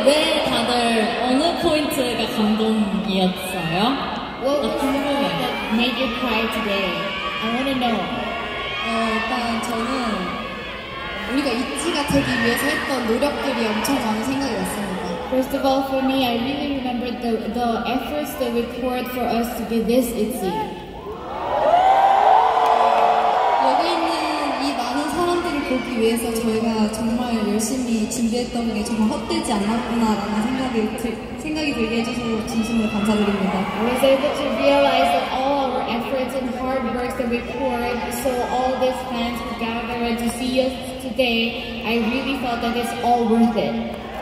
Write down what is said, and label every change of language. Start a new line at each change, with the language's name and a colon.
Korean: 왜 다들 어느 포인트가 감동이었어요?
English: What made you cry today? I want to know.
Korean: 일단 저는 우리가 ITZY가 되기 위해서 했던 노력들이 엄청 많은 생각이 났습니다.
English: First of all, for me, I really remember the efforts that we poured for us to be this ITZY.
Korean: 여기 있는 이 많은 사람들을 보기 위해서 저희가 정말 열심히 준비했던 게 정말 헛되지 않았구나라는 생각이 들게 해주셔서 진심으로 감사드립니다.
English: I was able to realize that all our efforts and hard work that we poured so all these fans could gather to see us today, I really felt that it's all worth it.